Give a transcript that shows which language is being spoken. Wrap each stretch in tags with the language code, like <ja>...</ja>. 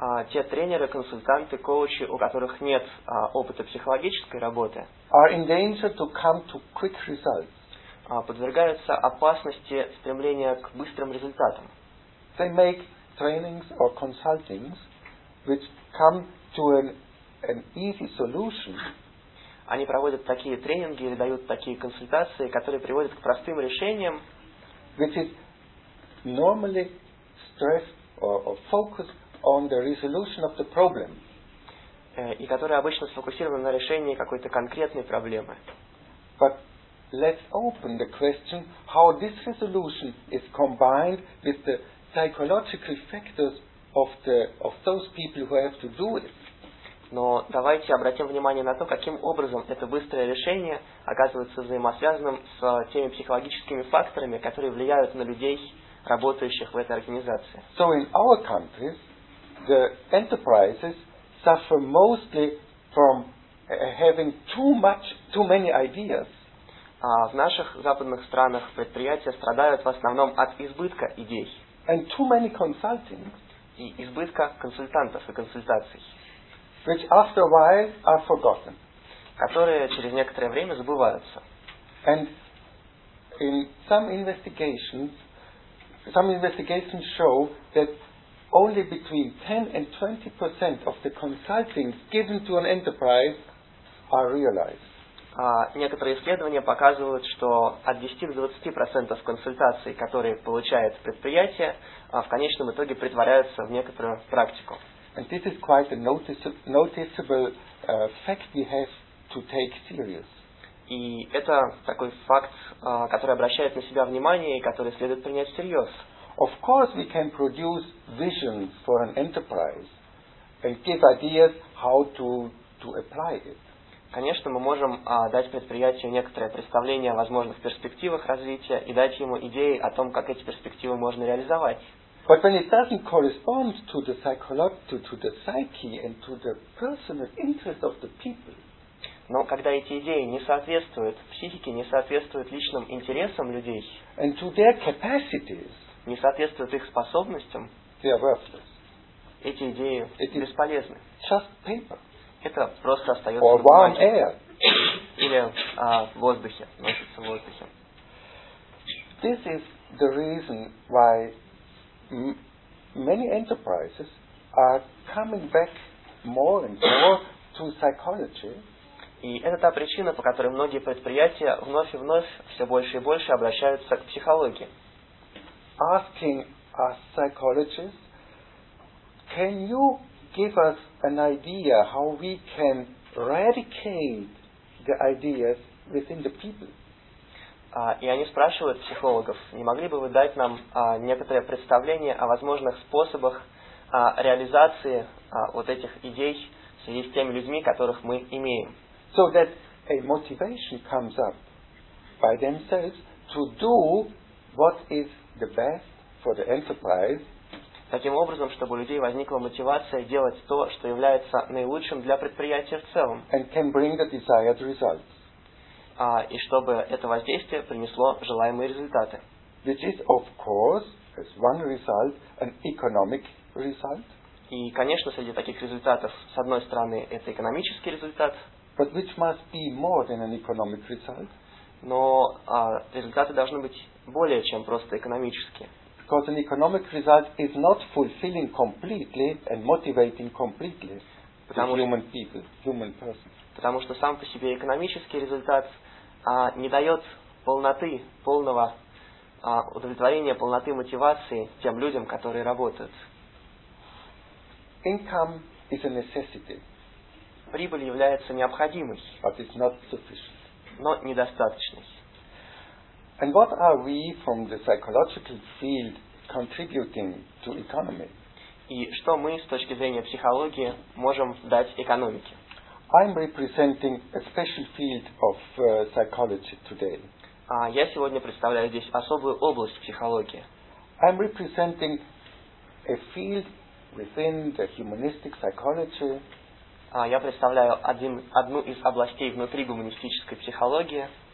<ru>Те тренеры, консультанты, коучи, у которых нет опыта психологической работы,</ru> <en>are in danger to come to quick results.</en> <ru>Подвергаются опасности стремления к быстрым результатам.</ru> <en>They make trainings or consultings, which come to an easy solution.</en> <ru>Они проводят такие тренинги или дают такие консультации, которые приводят к простым решениям,</ru> <en>which is normally stressed or focused on the resolution of the problem.</en> <ru>И которые обычно сфокусированы на решении какой-то конкретной проблемы.</ru> <en>But let's open the question how this resolution is combined with the psychological factors of those people who have to do it.</en> <ru>Но давайте обратим внимание на то, каким образом это быстрое решение оказывается взаимосвязанным с теми психологическими факторами, которые влияют на людей, работающих в этой организации.</ru> <en>So in our countries, the enterprises suffer mostly from having too many ideas.</en> <ru>В наших западных странах предприятия страдают в основном от избытка идей.</ru> <en>And too many consulting.</en> <ru>И избытка консультантов и консультаций.</ru> <en>Which after a while are forgotten.</en> <ru>Которые через некоторое время забываются.</ru> <en>And in some investigations show that only between 10 and 20% of the consulting given to an enterprise are realized.</en> <ru>Некоторые исследования показывают, что от 10 до 20% консультаций, которые получает предприятие, в конечном итоге притворяются в некоторую практику.</ru> <en>And this is quite a noticeable fact we have to take serious.</en> <ru>И это такой факт, который обращает на себя внимание и который следует принять всерьез.</ru> <en>Of course, we can produce vision for an enterprise and give ideas how to apply it.</en> <ru>Конечно, мы можем дать предприятию некоторое представление о возможных перспективах развития и дать ему идеи о том, как эти перспективы можно реализовать.</ru> <en>But when it doesn't correspond to the psychology, to the psyche and to the personal interest of the people.</en> <ru>Но когда эти идеи не соответствуют психике, не соответствуют личным интересам людей,</ru> <en>and to their capacities,</en> <ru>не соответствуют их способностям,</ru> <en>they are worthless.</en> <ru>Эти идеи</ru> <en>it</en> <ru>бесполезны.</ru> <en>Just paper.</en> <ru>Это просто остается</ru> <en>or</en> <ru>на бумаге.</ru> <en>Air.</en> <ru>Или воздухе, носится в воздухе.</ru> <en>This is the reason why many enterprises are coming back more and more to psychology.</en> <ru>И это та причина, по которой многие предприятия вновь и вновь все больше и больше обращаются к психологии.</ru> <en>Asking a psychologist, can you give us an idea how we can eradicate the ideas within the people?</en> <ru>И они спрашивают психологов, не могли бы вы дать нам некоторое представление о возможных способах реализации вот этих идей в связи с теми людьми, которых мы имеем?</ru> <en>So that a motivation comes up by themselves to do what is the best for the enterprise.</en> <ru>Таким образом, чтобы у людей возникла мотивация делать то, что является наилучшим для предприятия в целом.</ru> <en>And can bring the desired results.</en> <ru>И чтобы это воздействие принесло желаемые результаты.</ru> <en>Which is, of course, as one result, an economic result.</en> <ru>И, конечно, среди таких результатов, с одной стороны, это экономический результат.</ru> <en>But which must be more than an economic result.</en> <ru>Но результаты должны быть более, чем просто экономические.</ru> <en>Because an economic result is not fulfilling completely and motivating completely the human people, human person.</en> <ru>Потому что сам по себе экономический результат не дает полноты, полного удовлетворения, полноты мотивации тем людям, которые работают.</ru> <en>Income is a necessity.</en> <ru>Прибыль является необходимой,</ru> <en>but it's not sufficient.</en> <ru>Но недостаточной.</ru> <en>And what are we from the psychological field contributing to economy?</en> <ru>И что мы с точки зрения психологии можем дать экономике?</ru> <en>I'm representing a special field of psychology today.</en> <ru>Я сегодня представляю здесь особую область психологии.</ru> <en>I'm representing a field within the humanistic psychology.</en> <ru>Я представляю одну из областей внутри гуманистической психологии,</ru>